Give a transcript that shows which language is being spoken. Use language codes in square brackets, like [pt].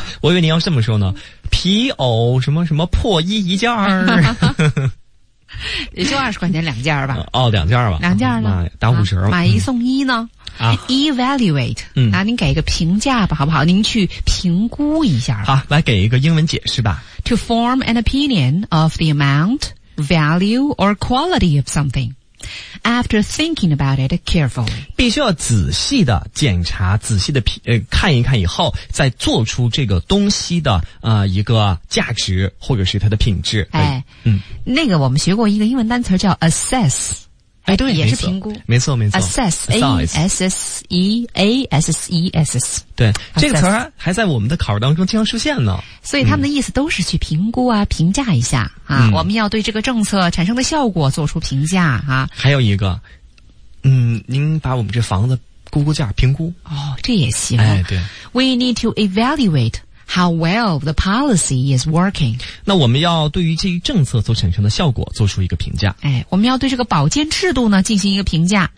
[zh] 我以为您要这么说呢，皮偶什么什么破衣一件儿。也就20块钱两件吧。哦，两件吧。两件呢？打50了、啊。买一送一呢？啊 [en] ，evaluate， [zh] 嗯，啊，您给一个评价吧，好不好？您去评估一下。好，来给一个英文解释吧。 [en] To form an opinion of the amount, value, or quality of something after thinking about it carefully， [zh] 必须要仔细的检查，仔细的看一看以后，再做出这个东西的一个价值或者是它的品质。哎，嗯，那个我们学过一个英文单词叫 assess。哎，对，也是评估，没错没错 [en] ，assess， [zh] 对，这个词儿还在我们的考试当中经常出现呢。所以他们的意思都是去评估啊，评价一下啊，我们要对这个政策产生的效果做出评价啊。还有一个，您把我们这房子估估价，评估哦，这也行。哎，对 [en] ，We need to evaluate how well the policy is working。 [zh] 那我们要对于这一政策所产生的效果做出一个评价。哎，我们要对这个保健制度呢进行一个评价。